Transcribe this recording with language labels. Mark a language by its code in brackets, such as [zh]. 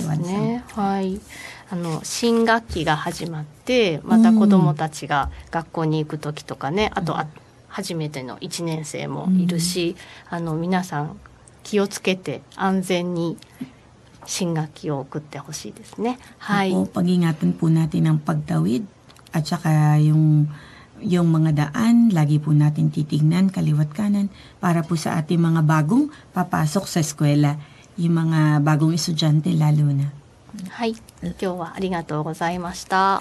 [ja] そうですね、はい、あの新学期が始まってまた子どもたちが学校に行く時とかね、うん、あと初めての1年生もいるし、うん、あの皆さん気をつけて安全に新学期を送ってほしいですね。はい。 [tl] pag-ingatan po natin ang pagtawid at saka yung mga daan, lagi po natin titignan kaliwat kanan para po sa ating mga bagong papasok sa eskwela, yung mga bagong estudyante lalo na. [ja] はい。今日はありがとうございました。